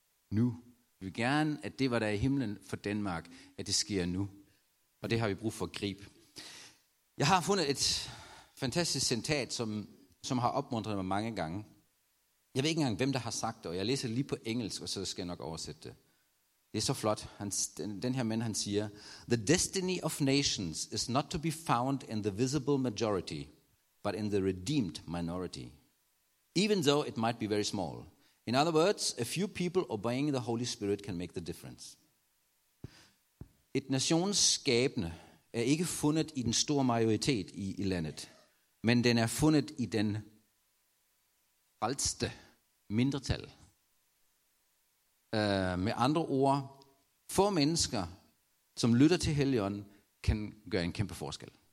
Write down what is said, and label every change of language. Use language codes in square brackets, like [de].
[da] Nu. Vi vil gerne, at det, hvad der er i himlen for Danmark, at det sker nu. Og det har vi brug for at gribe. Jeg har fundet et fantastisk citat, som har opmuntret mig mange gange. Jeg ved ikke engang, hvem der har sagt det, og jeg læser lige på engelsk, og så skal jeg nok oversætte det. Det er så flot. Den her mand siger, [en] "The destiny of nations is not to be found in the visible majority, but in the redeemed minority, even though it might be very small. In other words, a few people obeying the Holy Spirit can make the difference." [da] Et nations skæbne er ikke fundet i den store majoritet i landet, men den er fundet i den frelste mindretal. Med andre ord, få mennesker, som lytter til Helligånden, kan gøre en kæmpe forskel.